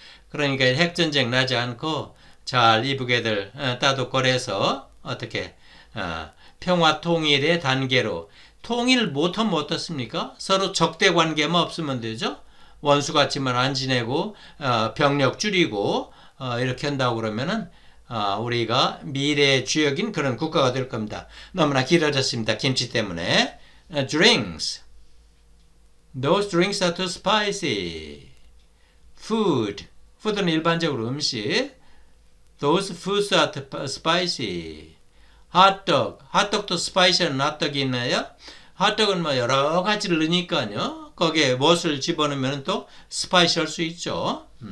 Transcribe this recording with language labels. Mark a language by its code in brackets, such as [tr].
[ko] 그러니까 핵전쟁 나지 않고 잘 이북 애들 따돌거려서 어떻게 평화 통일의 단계로 통일 못하면 어떻습니까? 서로 적대 관계만 없으면 되죠. 원수 같지만 안 지내고 병력 줄이고 이렇게 한다고 그러면은 우리가 미래의 주역인 그런 국가가 될 겁니다. 너무나 길어졌습니다. 김치 때문에. Drinks. [en] Those drinks are too spicy. Food. Food은 [ko] 일반적으로 음식. [en] Those foods are spicy. Hotdog. [ko] Hotdog도 spicy한 핫도그 있나요? 핫도그는 뭐 여러 가지를 넣으니까요. 거기에 무엇을 집어넣으면 또 스파이시할 수 있죠.